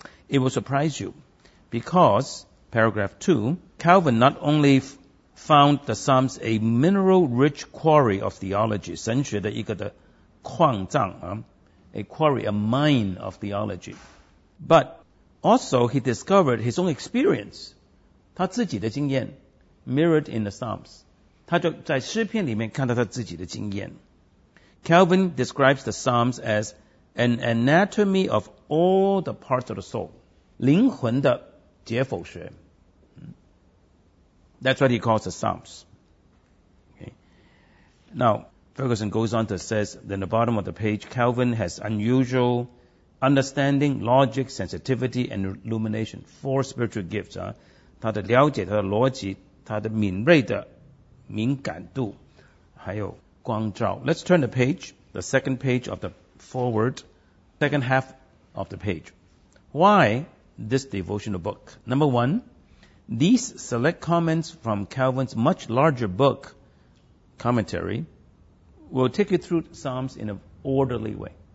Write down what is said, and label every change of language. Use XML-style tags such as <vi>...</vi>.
<en>It will surprise you because, paragraph 2, Calvin not only found the Psalms a mineral-rich quarry of theology,</en> <zh>神学的一个的矿藏,</zh> <en>a quarry, a mine of theology, but also he discovered his own experience,</en> <zh>他自己的经验</zh> <en>mirrored in the Psalms.</en> <zh>他就在诗篇里面看到他自己的经验。</zh> <en>Calvin describes the Psalms as an anatomy of all the parts of the soul,</en> <zh>灵魂的解剖学。</zh> <en>That's what he calls the Psalms. Okay. Now, Ferguson goes on to say, in the bottom of the page, Calvin has unusual understanding, logic, sensitivity, and illumination, four spiritual gifts.</en> <zh>他的了解,他的逻辑,他的敏锐的敏感度还有光照。</zh> <en>Let's turn the page, the second page of the foreword, second half of the page. Why this devotional book? Number one, these select comments from Calvin's much larger book, commentary, will take you through Psalms in an orderly way.</en>